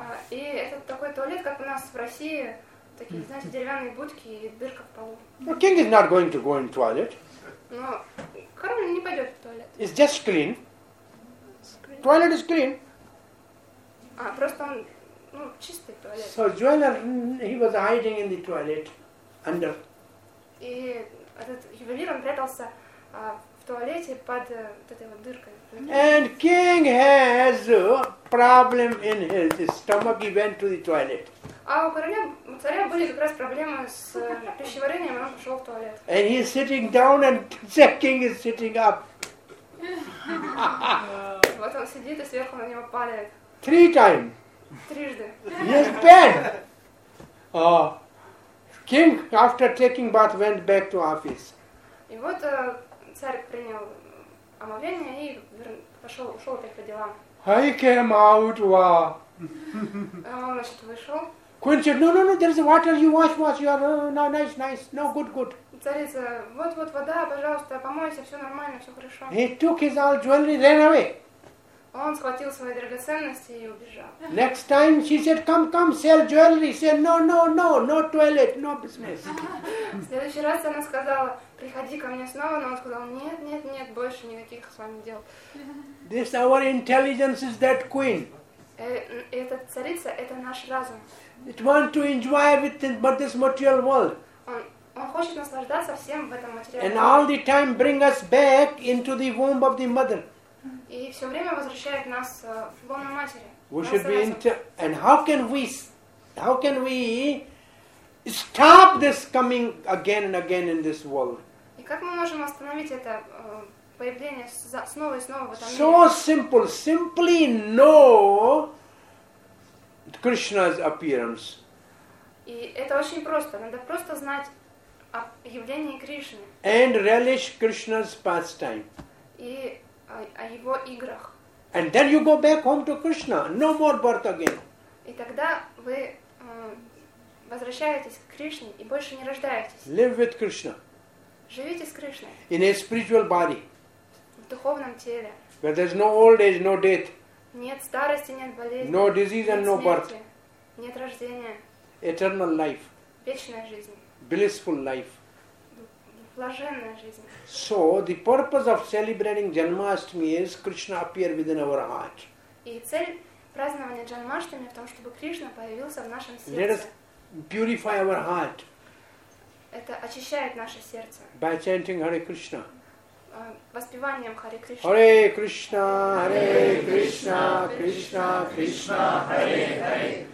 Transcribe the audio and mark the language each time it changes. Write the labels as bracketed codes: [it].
[ru] И это такой туалет, как у нас в России, такие, знаете, деревянные будки и дырка в полу. [en] The king is not going to go in toilet. [ru] Но король не пойдет в туалет. [en] It's just clean. Toilet is clean. [ru] Просто он, чистый туалет. [en] So jeweler, he was hiding in the toilet, under. [ru] И этот ювелир, он прятался в туалете под этой вот дыркой. [en] And king has a problem in his stomach, he went to the toilet. [ru] А у короля, у царя были как раз проблемы с пищеварением, он пошел в туалет. [en] And he's sitting down and the king is sitting up. [ru] Вот он сидит и сверху на него падает. [en] Three times. [ru] Трижды. [en] Yes, bad. King, after taking bath, went back to office. [ru] И вот царь принял омовение и ушел опять по делам. [en] I came out, wow. [ru] Он, значит, вышел. [en] Queen said, no, there's water, you wash, you are, no, nice, no, good. [ru] Царица, вот вода, пожалуйста, помойся, все нормально, все хорошо. [en] He took his all jewelry, ran away. [ru] Он схватил свои драгоценности и убежал. [en] Next time she said, come, sell jewelry. She said, no, no toilet, no business. [ru] В следующий раз она сказала, приходи ко мне снова, но он сказал, нет, больше никаких с вами дел. [en] This our intelligence is that queen. [ru] Эта царица, это наш разум. [en] It wants to enjoy everything but this material world. [ru] Он хочет наслаждаться всем в этом материальном мире. [en] And all the time bring us back into the womb of the mother. [ru] И все время возвращает нас в лоно матери. [en] We should be and how can we stop this coming again and again in this world? [ru] И как мы можем остановить это появление снова и снова в этом мире? [en] So simple, simply know Krishna's appearance. [ru] И это очень просто. Надо просто знать о явлении Кришны. [en] And relish Krishna's pastime. [ru] И о его играх. [en] And then you go back home to Krishna. No more birth again. [ru] И тогда вы возвращаетесь к Кришне и больше не рождаетесь. [en] Live with Krishna. [ru] Живите с Кришной. [en] In a spiritual body. [ru] В духовном теле. [en] Where there's no old age, no death. [ru] Нет старости, нет болезни. [en] No disease and no birth. [ru] Нет рождения. [en] Eternal life. [ru] Вечная жизнь. [en] Blissful life. [ru] Блаженная жизнь. [en] So the purpose of celebrating Janmashtami is Krishna appear within our heart. [ru] И цель празднования Джанмаштами в том, чтобы Кришна появился в нашем сердце. [en] Let us purify our heart. [ru] Это очищает наше сердце. [en] By chanting Hare Krishna. [ru] Воспеванием Харе Кришна. Харе Кришна, Харе Кришна, Кришна, Кришна, Харе Харе.